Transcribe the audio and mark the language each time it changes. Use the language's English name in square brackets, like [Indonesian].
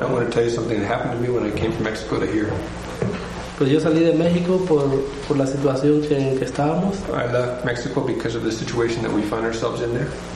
[English] I want to tell you something that happened to me when I came from Mexico to here. [Spanish] Pues yo salí de México por la situación que estábamos. [English] I left Mexico because of the situation that we found ourselves in there.